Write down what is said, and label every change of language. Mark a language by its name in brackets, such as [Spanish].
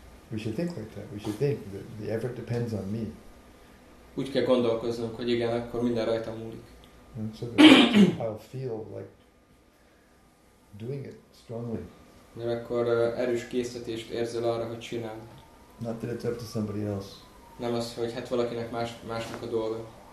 [English] We should think like that. We should think that the effort depends on me. [Hungarian] Úgy kell gondolkoznunk, hogy igen, akkor minden rajta múlik. [English] So that I'll feel like doing it strongly. [Hungarian] Nem akkor erős késztetést érzel arra, hogy csinál. [English] Not that it's up to somebody else. [Hungarian] Nem az, hogy hát valakinek másnak a dolga.